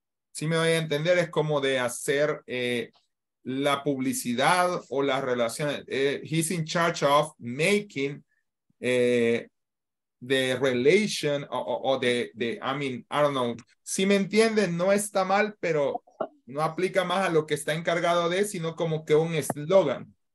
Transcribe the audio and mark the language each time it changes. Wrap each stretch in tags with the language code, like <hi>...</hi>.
<es>Si me voy a entender, es como de hacer la publicidad o las relaciones.</es> <en>He's in charge of making the relation I don't know.</en> <es>Si me entienden, no está mal, pero... no aplica más a lo que está encargado de, sino como que un eslogan.</es>